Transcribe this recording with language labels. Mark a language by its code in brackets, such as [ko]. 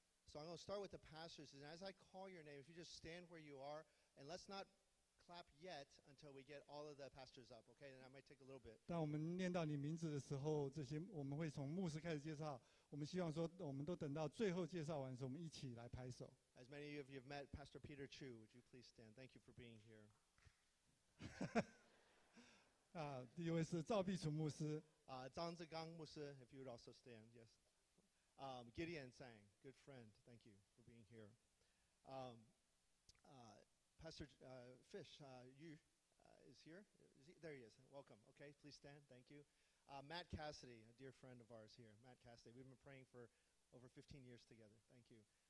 [en] So I'm going to start with the pastors, and as I call your name, if you just stand where you are, and let's not clap yet until we get all of the pastors up, okay? And I might take a little bit. [zh] 当我们念到你名字的时候，这些我们会从牧师开始介绍，我们希望说我们都等到最后介绍完时，我们一起来拍手。 As many of you have met Pastor Peter Chu, would you please stand? Thank you for being here. 第一位是赵碧楚牧师，张志刚牧师 [en] if you would also stand, yes. Gideon Tsang, good friend, thank you for being here. Pastor Fish, is here? There he is, welcome, okay, please stand, thank you. Matt Cassidy, a dear friend of ours here, Matt Cassidy, we've been praying for over 15 years together, thank you.